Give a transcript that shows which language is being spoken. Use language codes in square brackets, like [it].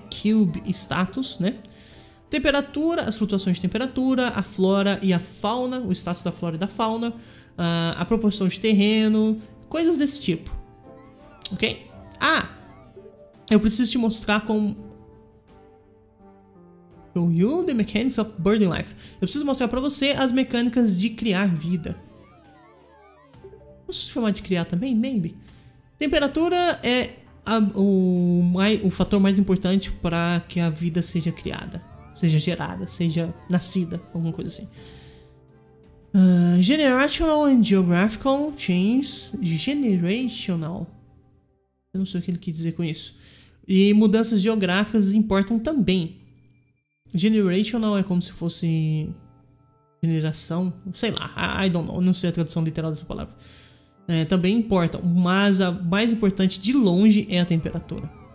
[pt] Cube status, né? Temperatura, as flutuações de temperatura, a flora e a fauna, o status da flora e da fauna, a proporção de terreno, coisas desse tipo. Ok? Ah! Eu preciso te mostrar como... [en] Show you the mechanics of birding life. [pt] Eu preciso mostrar pra você as mecânicas de criar vida. Posso chamar de criar também? [en] Maybe. [pt] Temperatura é o fator mais importante para que a vida seja criada. Seja gerada, seja nascida, alguma coisa assim. [en] Generational and geographical change. Generational. [pt] Eu não sei o que ele quis dizer com isso. E mudanças geográficas importam também. Generational é como se fosse geração. Sei lá, [en] I don't know. [pt] Não sei a tradução literal dessa palavra. Também importam, mas a mais importante de longe é a temperatura.